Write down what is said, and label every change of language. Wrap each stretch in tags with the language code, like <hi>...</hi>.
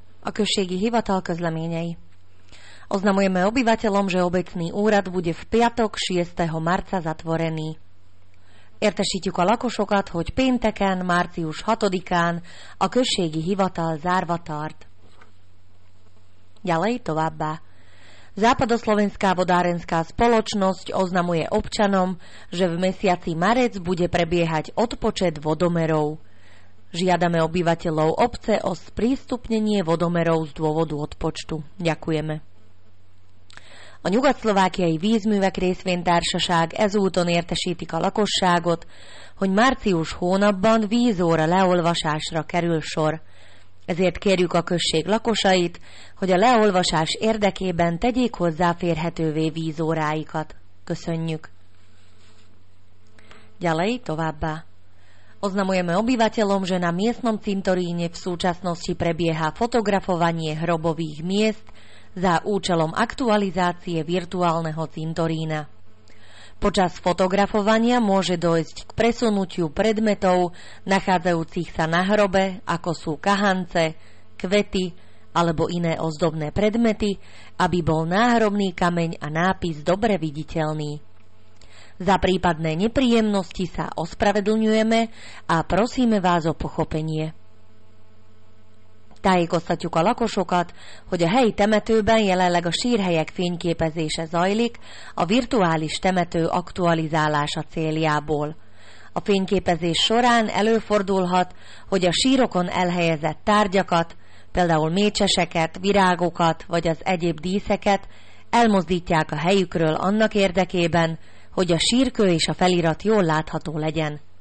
<hu>Okresiek i hivatal közleményei.</hu> <sk>Oznamujeme obyvateľom, že obecný úrad bude v piatok 6. marca zatvorený.</sk> <hu>Értesítjük a lakosokat, hogy pénteken, március 6-án a községi hivatal zárva tart.</hu> <sk>Ďalej</sk> <hu>továbbá.</hu> <sk>Západoslovenská vodárenská spoločnosť oznamuje občanom, že v mesiaci marec bude prebiehať odpočet vodomerov. Žiadame obyvateľov obce o sprístupnenie vodomerov z dôvodu odpočtu. Ďakujeme.</sk> <hu>A nyugat-szlovákiai vízművek részvénytársaság ezúton értesítik a lakosságot, hogy március hónapban vízóra leolvasásra kerül sor. Ezért kérjük a község lakosait, hogy a leolvasás érdekében tegyék hozzáférhetővé vízóráikat. Köszönjük!</hu> <sk>Ďalej</sk> <hu>továbbá.</hu> <sk>Oznamujeme obyvateľom, že na miestnom cintoríne v súčasnosti prebieha fotografovanie hrobových miest za účelom aktualizácie virtuálneho cintorína. Počas fotografovania môže dôjsť k presunutiu predmetov nachádzajúcich sa na hrobe, ako sú kahance, kvety alebo iné ozdobné predmety, aby bol náhrobný kameň a nápis dobre viditeľný. Za prípadné nepríjemnosti sa ospravedlňujeme a prosíme vás o pochopenie.</sk> <hu>Tájékoztatjuk a lakosokat, hogy a helyi temetőben jelenleg a sírhelyek fényképezése zajlik a virtuális temető aktualizálása céljából. A fényképezés során előfordulhat, hogy a sírokon elhelyezett tárgyakat, például mécseseket, virágokat vagy az egyéb díszeket elmozdítják a helyükről annak érdekében, hogy a sírkő és a felirat jól látható legyen.</hu>